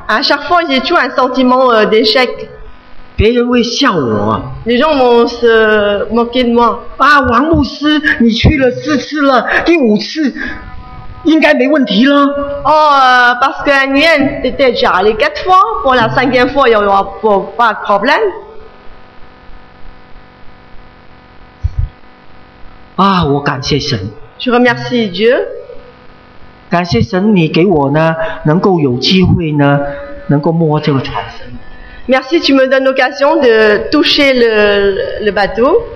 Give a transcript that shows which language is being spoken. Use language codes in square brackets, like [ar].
[fr] À chaque fois j'ai toujours un sentiment d'échec. [zh] 别人会笑我。 [fr] Les gens vont se moquer de moi. [zh] 啊，王牧师，你去了4次了，第5次。应该没问题了。 [fr] Oh, parce que Nguyen était déjà allé 4 fois, pour la 5e fois, il n'y aura pas de problème. [zh] 啊，我感谢神。 [fr] Je remercie Dieu. [zh] 感谢神，你给我呢，能够有机会呢，能够摸这个船身。 [fr] Merci, tu me donnes l'occasion de toucher le bateau.